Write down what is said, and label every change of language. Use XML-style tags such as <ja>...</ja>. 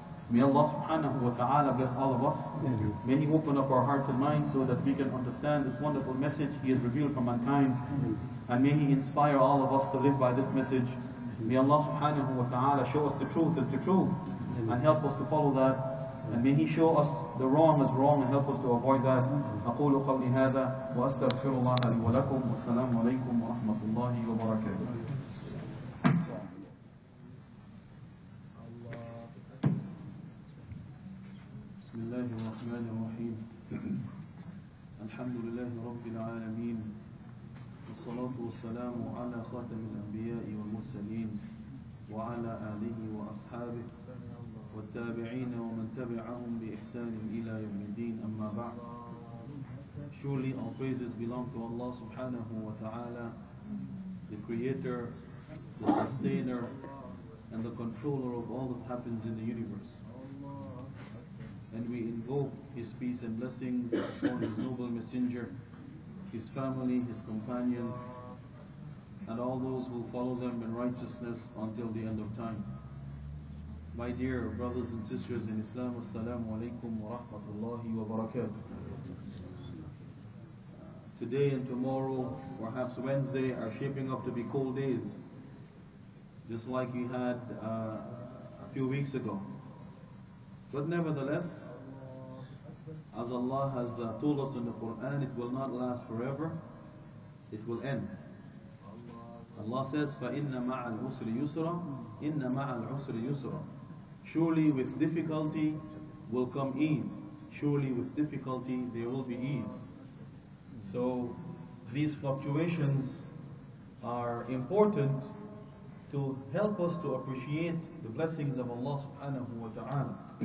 <en>May Allah subhanahu wa ta'ala bless all of us. May He open up our hearts and minds so that we can understand this wonderful message He has revealed for mankind. And may He inspire all of us to live by this message. May Allah subhanahu wa ta'ala show us the truth is the truth and help us to follow that. And may He show us the wrong is wrong and help us to avoid that.</en> <ar>أقول قولي هذا وأستغفر الله لي ولكم والسلام عليكم ورحمة الله وبركاته. بسم الله الرحمن الرحيم الحمد لله رب العالمين والصلاة والسلام على خاتم الأنبياء والمرسلين وعلى آله وأصحابه والتابعين ومن تبعهم بإحسان إلى يوم الدين أما بعد.</ar> <en>Surely all praises belong to Allah subhanahu wa ta'ala, the creator, the sustainer, and the controller of all that happens in the universe. And we invoke His peace and blessings upon His noble messenger, His family, His companions, and all those who follow them in righteousness until the end of time. My dear brothers and sisters in Islam,</en> <ar>assalamu alaikum wa rahmatullahi wa barakatuh.</ar> <en>Today and tomorrow, perhaps Wednesday, are shaping up to be cold days, just like we had a few weeks ago. But nevertheless, as Allah has told us in the Quran, it will not last forever, it will end. Allah says,</en> <ar>فَإِنَّ مَعَ الْعُسْرِ يُسْرًا إِنَّ مَعَ الْعُسْرِ يُسْرًا.</ar> <en>Surely with difficulty will come ease. Surely with difficulty there will be ease. So these fluctuations are important to help us to appreciate the blessings of Allah subhanahu wa ta'ala.</en>